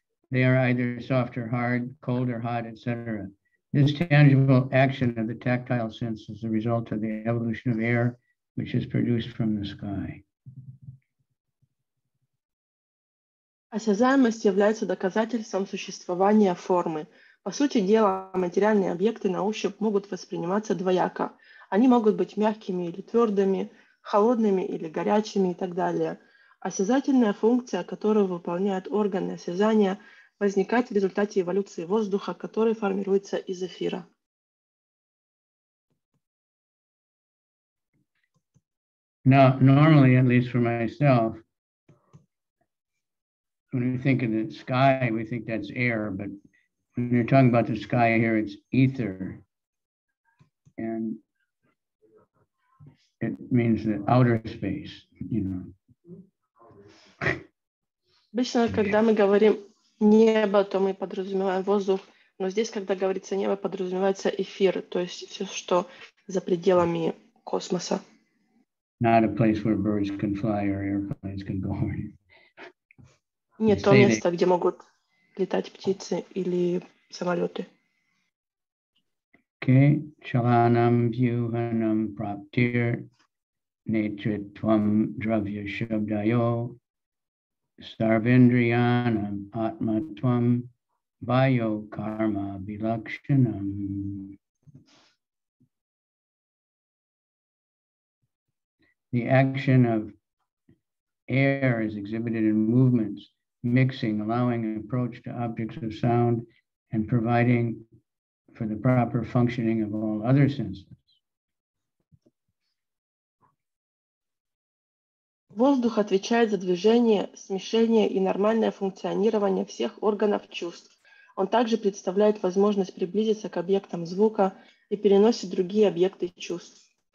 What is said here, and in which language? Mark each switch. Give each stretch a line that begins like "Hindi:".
English: They are either soft or hard, cold or hot, etc. This tangible action of the tactile sense is the result of the evolution of air, which is produced from the sky.
Russian: Осязаемость является доказательством существования формы. По сути дела, материальные объекты на ощупь могут восприниматься двояко. Они могут быть мягкими или твердыми, холодными или горячими и так далее. Осязательная функция, которую выполняют органы осязания, возникает в результате эволюции воздуха, который формируется из эфира.
English: Now, normally, at least for myself, when we think of the sky, we think that's air, but when you're talking about the sky here, it's ether. And it means the outer space, you know.
Russian: Обычно, когда мы говорим небо, то мы подразумеваем воздух, но здесь, когда говорится небо, подразумевается эфир, то есть все, что за пределами космоса.
English: Not a place where birds can fly or airplanes can go.
Russian: Не то место, где могут летать птицы или самолеты.
Sanskrit: Okay, chalanam vyuhanam praptir. Netritvam dravya shabdayo sarvendriyanam atmatvam bayo karma vilakshanam.
English: The action of air is exhibited in movements, mixing, allowing an approach to objects of sound, and providing for the proper functioning of all other senses.
Russian: Воздух отвечает за движение, смешение и нормальное функционирование всех органов чувств. Он также представляет возможность приблизиться к объектам звука и переносит другие объекты чувств.